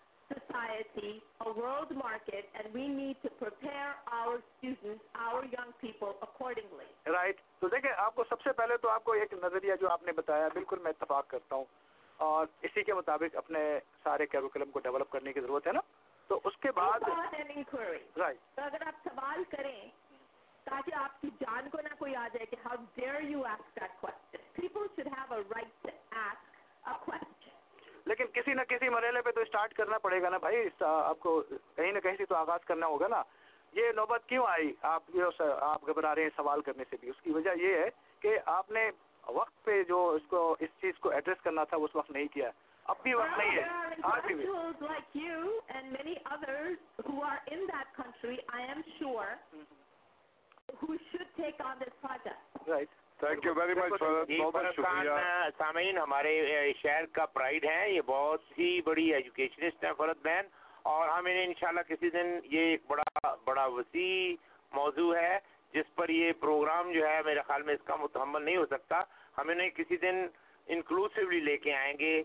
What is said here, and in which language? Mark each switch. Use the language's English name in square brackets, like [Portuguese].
[English] society, a world market, and we need to prepare our students, our young people accordingly. Right. [Hindi] So, देखिए आपको सबसे पहले तो आपको एक नजरिया जो आपने बताया बिल्कुल मैं इत्तफाक करता हूँ और इसी के मुताबिक अपने सारे कैरिकुलम को डेवलप करने की जरूरत है ना तो उसके बाद Right. तो अगर आप सवाल करें ताकि आपकी जान को ना कोई आ जाए कि [English] how dare you ask that question. People should have a right to ask a question. [Hindi] लेकिन किसी न किसी मरहले पे तो स्टार्ट करना पड़ेगा ना भाई आपको कहीं ना कहीं से तो आगाज करना होगा ना ये नौबत क्यों आई आप ये आप घबरा रहे हैं सवाल करने से भी उसकी वजह ये है कि आपने वक्त पे जो इसको इस चीज को एड्रेस करना था उस वक्त नहीं किया अब भी वक्त नहीं है आज भी [English] like you and many others who are in that country I am sure who should take on this project right thank you very much Farhat [Hindi] सामईन हमारे शहर का प्राइड है ये बहुत ही बड़ी एजुकेशनिस्ट है फरहत बहन और हम इन्हें इंशाल्लाह किसी दिन ये एक बड़ा बड़ा वसी मौजू है जिस पर ये प्रोग्राम जो है मेरे ख्याल में इसका मुतहम्मल नहीं हो सकता हम इन्हें किसी दिन इंक्लूसिवली लेके आएंगे